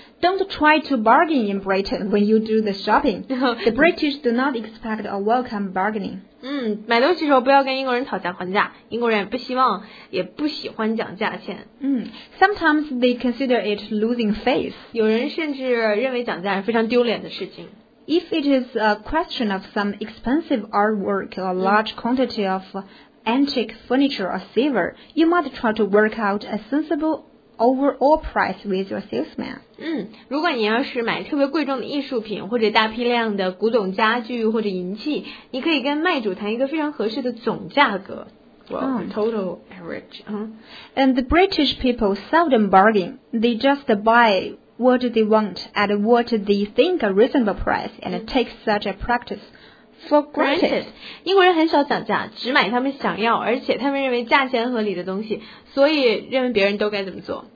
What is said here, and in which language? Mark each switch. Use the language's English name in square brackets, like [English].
[English] Don't try to bargain in Britain when you do the shopping. The British do not expect a welcome bargaining. [Chinese] 买东西的时候不要跟英国人讨价还价，英国人也不希望，也不喜欢讲价钱。 [English] Sometimes they consider it losing face. [Chinese] 有人甚至认为讲价是非常丢脸的事情。 [English] If it is a question of some expensive artwork, a large quantity of antique furniture or silver, you might try to work out a sensible overall price with your salesman. [Chinese] 如果你要是买特别贵重的艺术品或者大批量的古董家具或者银器，你可以跟卖主谈一个非常合适的总价格。 [English] And the British people seldom bargain. They just buy what they want at what they think a reasonable price and take such a practice for granted. [Chinese] 英国人很少讲价，只买他们想要，而且他们认为价钱合理的东西，所以认为别人都该怎么做。